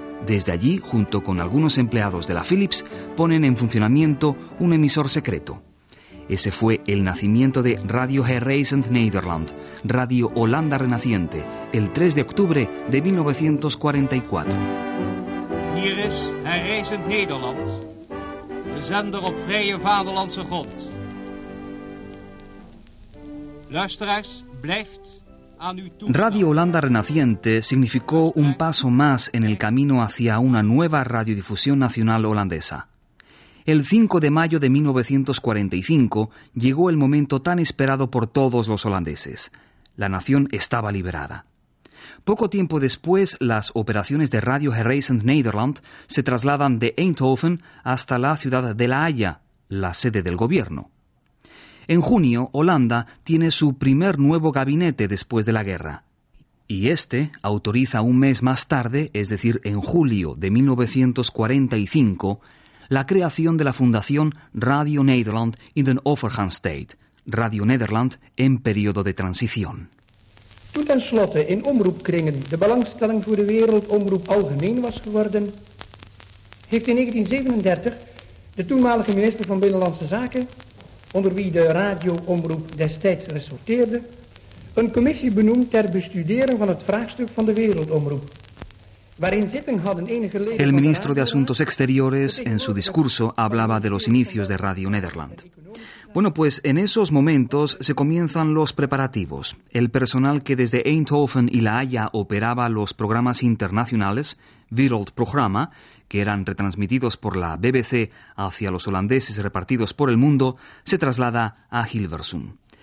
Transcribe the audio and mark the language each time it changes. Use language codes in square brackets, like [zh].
[es] Desde allí, junto con algunos empleados de la Philips, ponen en funcionamiento un emisor secreto. Ese fue el nacimiento de Radio Herreizend Nederland, Radio Holanda Renaciente, el 3 de octubre de 1944. [nl] Hier is Herreizend Nederland, de zender op vrije vaderlandse grond. Luisteraars, blijft [es] Radio Holanda Renaciente significó un paso más en el camino hacia una nueva radiodifusión nacional holandesa. El 5 de mayo de 1945 llegó el momento tan esperado por todos los holandeses. La nación estaba liberada. Poco tiempo después, las operaciones de Radio Horizon Nederland se trasladan de Eindhoven hasta la ciudad de La Haya, la sede del gobierno. En junio, Holanda tiene su primer nuevo gabinete después de la guerra. Y este autoriza un mes más tarde, es decir, en julio de 1945, la creación de la fundación Radio Nederland in den Overgangstijd, Radio Nederland en periodo de transición. [nl] Toen tenslotte in omroepkringen de belangstelling voor de wereldomroep algemeen was geworden, heeft in 1937 de toenmalige minister van Binnenlandse Zaken, onder wie de radioomroep destijds resorteerde, een commissie benoemd ter bestudering van het vraagstuk van de wereldomroep. [es] El ministro de Asuntos Exteriores, en su discurso, hablaba de los inicios de Radio Nederland. Bueno, pues en esos momentos se comienzan los preparativos. El personal que desde Eindhoven y La Haya operaba los programas internacionales, Wereldprogramma, que eran retransmitidos por la BBC hacia los holandeses repartidos por el mundo, se traslada a Hilversum.